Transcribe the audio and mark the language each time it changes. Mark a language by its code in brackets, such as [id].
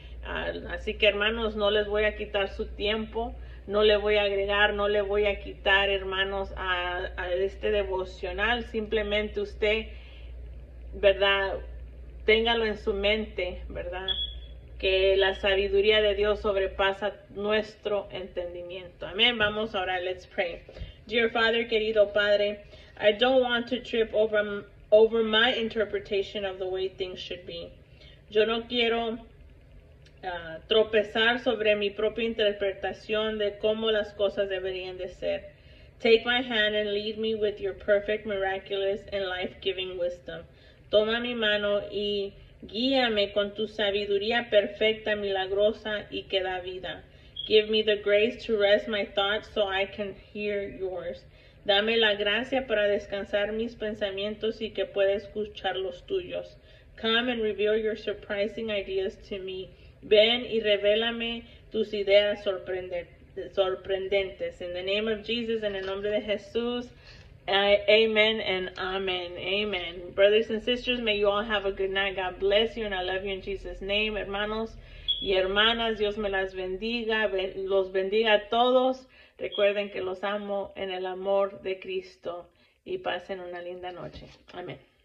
[es] Así que, hermanos, no les voy a quitar su tiempo, no le voy a agregar, no le voy a quitar, hermanos, a este devocional. Simplemente usted, ¿verdad?, téngalo en su mente, ¿verdad?, que la sabiduría de Dios sobrepasa nuestro entendimiento. Amén. Vamos ahora, [en] let's pray. Dear Father, [es] querido Padre, [en] I don't want to trip over my interpretation of the way things should be. [es] Yo no quiero tropezar sobre mi propia interpretación de cómo las cosas deberían de ser. [en] Take my hand and lead me with your perfect, miraculous, and life-giving wisdom. [es] Toma mi mano y guíame con tu sabiduría perfecta, milagrosa, y que da vida. [en] Give me the grace to rest my thoughts so I can hear yours. [es] Dame la gracia para descansar mis pensamientos y que pueda escuchar los tuyos. [en] Come and reveal your surprising ideas to me. [es] Ven y revélame tus ideas sorprendentes. [en] In the name of Jesus, [es] en el nombre de Jesús, [en] amen and amen, amen. Brothers and sisters, may you all have a good night. God bless you and I love you in Jesus' name. [es] Hermanos y hermanas, Dios me las bendiga, los bendiga a todos. Recuerden que los amo en el amor de Cristo y pasen una linda noche. Amén.